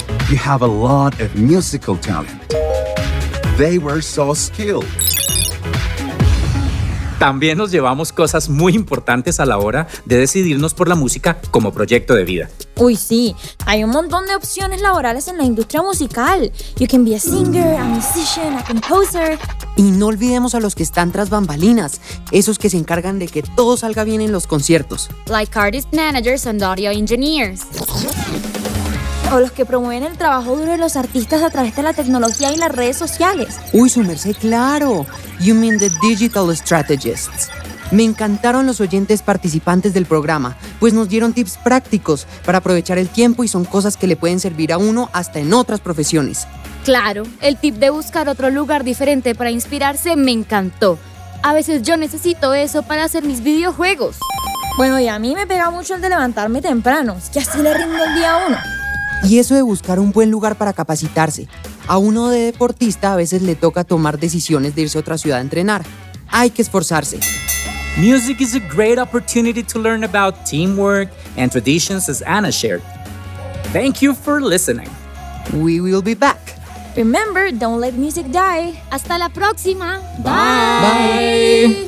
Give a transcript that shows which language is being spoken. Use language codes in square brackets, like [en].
[en] You have a lot of musical talent. They were so skilled. [es] También nos llevamos cosas muy importantes a la hora de decidirnos por la música como proyecto de vida. Uy, sí. Hay un montón de opciones laborales en la industria musical. [en] You can be a singer, a musician, a composer. [es] Y no olvidemos a los que están tras bambalinas, esos que se encargan de que todo salga bien en los conciertos. [en] Like artist managers and audio engineers. [es] O los que promueven el trabajo duro de los artistas a través de la tecnología y las redes sociales. Uy, su merced, claro. [en] You mean the digital strategists. [es] Me encantaron los oyentes participantes del programa, pues nos dieron tips prácticos para aprovechar el tiempo y son cosas que le pueden servir a uno hasta en otras profesiones. Claro, el tip de buscar otro lugar diferente para inspirarse me encantó. A veces yo necesito eso para hacer mis videojuegos. Bueno, y a mí me pega mucho el de levantarme temprano. Es que así le rindo el día a uno. Y eso de buscar un buen lugar para capacitarse. A uno de deportista a veces le toca tomar decisiones de irse a otra ciudad a entrenar. Hay que esforzarse. [en] Music is a great opportunity to learn about teamwork and traditions, as Anna shared. Thank you for listening. We will be back. Remember, don't let music die. [es] Hasta la próxima. [en] Bye.